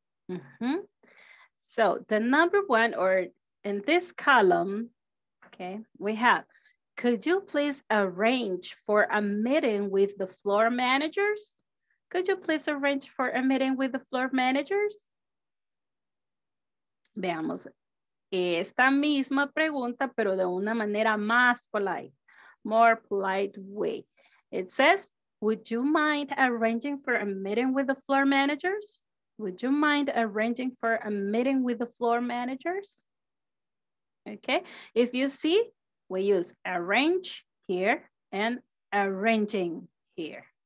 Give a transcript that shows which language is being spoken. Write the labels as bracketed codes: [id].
[en] Mm-hmm. So the number one, or in this column, okay, we have, could you please arrange for a meeting with the floor managers? Could you please arrange for a meeting with the floor managers? [es] Veamos esta misma pregunta, pero de una manera más polite, [en] more polite way. It says, would you mind arranging for a meeting with the floor managers? Would you mind arranging for a meeting with the floor managers? Okay, if you see, we use arrange here and arranging here.